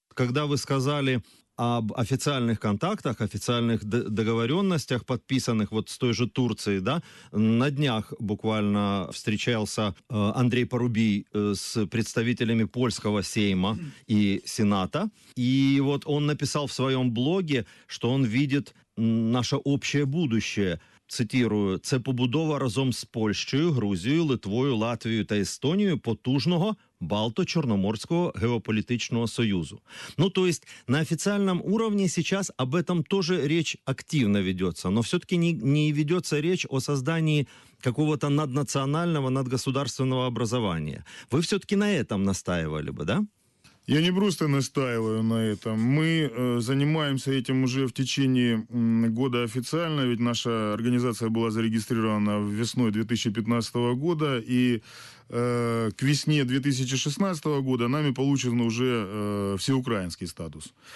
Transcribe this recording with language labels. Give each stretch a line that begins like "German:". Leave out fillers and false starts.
Russian: Когда вы сказали об официальных контактах, официальных договоренностях, подписанных вот с той же Турцией, да, на днях буквально встречался Андрей Порубий с представителями польского Сейма и Сената, и вот он написал в своем блоге, что он видит наше общее будущее.
Ukrainian: Цитирую, «Це побудова разом з Польщею, Грузією, Литвою, Латвією та Естонією потужного
Russian: Балто-Черноморского геополитического союза». Ну, то есть на официальном уровне сейчас об этом тоже речь активно ведется, но все-таки не ведется речь о создании какого-то наднационального, надгосударственного образования. Вы все-таки на этом настаивали бы, да? Я не просто настаиваю на этом. Мы занимаемся этим уже в течение года официально, ведь наша организация была зарегистрирована весной 2015 года, и к весне 2016 года нами получен уже всеукраинский статус.